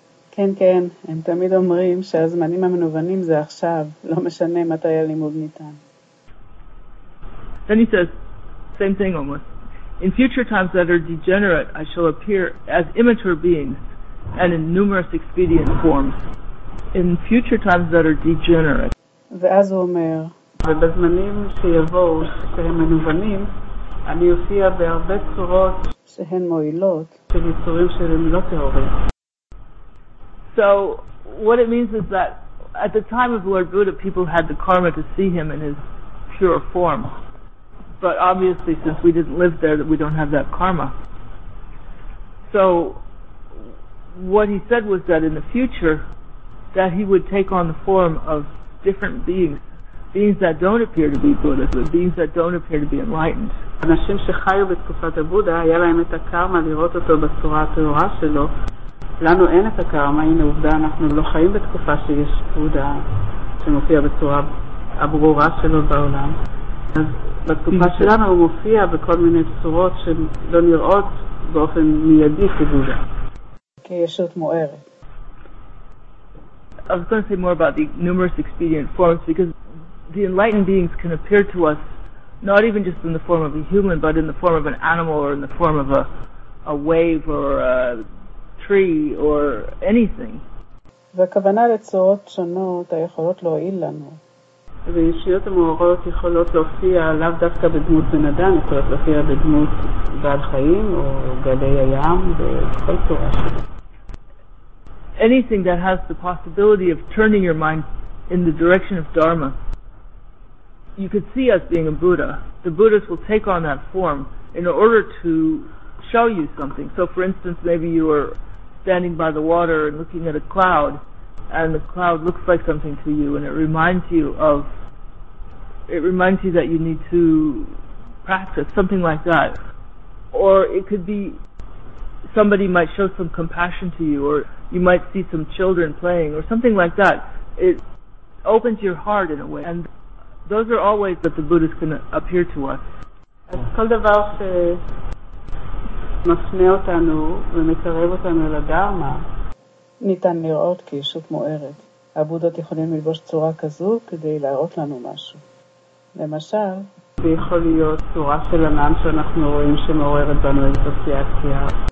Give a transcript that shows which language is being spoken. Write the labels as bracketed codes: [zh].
[he] כן, כן, הם תמיד אומרים שהזמנים המנוונים זה עכשיו, לא משנה מתי הלימוד ניתן. [en] Then he says, same thing almost. In future times that are degenerate, I shall appear as immature beings and in numerous expedient forms. In future times that are degenerate. [he] ואז הוא אומר, ובזמנים שיבואו שהם מנוונים, אני אופיע בהרבה צורות שהן מועילות של יצורים שהם לא טהורים. [en] So what it means is that at the time of Lord Buddha, people had the karma to see him in his pure form. But obviously, since we didn't live there, that we don't have that karma. So what he said was that in the future, that he would take on the form of different beings, beings that don't appear to be Buddhas, but beings that don't appear to be enlightened. [he] אנשים שחיו בתקופת הבודה, היה להם את הקרמה לראות אותו בצורה התאורה שלו. לנו אין את הקרמה, הנה עובדה, אנחנו לא חיים בתקופה שיש בודה שמופיע בצורה הברורה שלו בעולם. אז בתקופה שלנו הוא מופיע בכל מיני צורות שלא נראות באופן מיידי כבודה. כישות מוארת. [en] I was going to say more about the numerous expedient forms, because the enlightened beings can appear to us not even just in the form of a human, but in the form of an animal, or in the form of a wave, or a tree, or anything. [he] והכוונה לצורות שונות היכולות להועיל לנו. וישויות המאורות יכולות להופיע לאו דווקא בדמות בן אדם, יכולות להופיע בדמות בעל חיים, או גלי הים, וכל צורה שלו. [en] Anything that has the possibility of turning your mind in the direction of Dharma, you could see as being a Buddha. The Buddhas will take on that form in order to show you something. So for instance, maybe you are standing by the water and looking at a cloud, and the cloud looks like something to you, and it reminds you that you need to practice, something like that. Or it could be somebody might show some compassion to you, or you might see some children playing, or something like that. It opens your heart in a way, and those are all ways that the Buddhas can appear to us. [he] כל דבר שמפנה אותנו ומקרב אותנו לדרמה, ניתן לראות כישות מוארת. הבודות יכולים ללבוש צורה כזו כדי להראות לנו משהו. למשל, זה יכול להיות צורה של ענן שאנחנו רואים שמעוררת בנו אסוציאציה.